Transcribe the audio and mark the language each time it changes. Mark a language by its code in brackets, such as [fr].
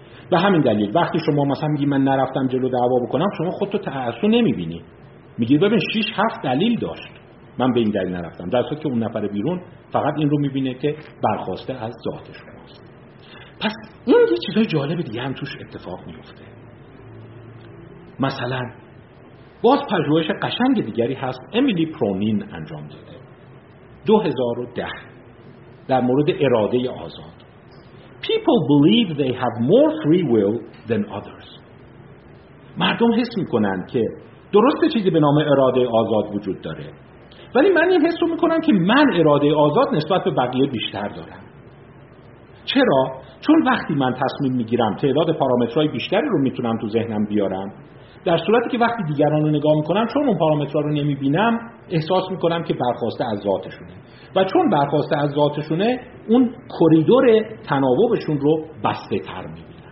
[fa] به همین دلیل وقتی شما مثلا میگی من نرفتم جلو دعوا بکنم، شما خودتو تعصب نمیبینی، میگی ببین 6-7 دلیل داشت من به این دلیل نرفتم، در صورتی که اون نفر بیرون فقط این رو میبینه که برخواسته از ذات شماست. پس این یه چیزای جالب دیگه هم توش اتفاق میفته. مثلا باز پژوهش قشنگ دیگری هست، امیلی پرونین انجام داده 2010 در مورد اراده آزاد. [en] People believe they have more free will than others. [fa] مردم حس میکنن که درسته چیزی به نام اراده آزاد وجود داره، ولی من این حس رو میکنم که من اراده آزاد نسبت به بقیه بیشتر دارم. چرا؟ چون وقتی من تصمیم میگیرم، تعداد پارامترهای بیشتری رو میتونم تو ذهنم بیارم، در صورتی که وقتی دیگران رو نگاه میکنم، چون اون پارامترها رو نمیبینم، احساس میکنم که برخواسته از ذاتشونه، و چون برخواسته از ذاتشونه، اون کوریدور تناوبشون رو بسته تر میبینم.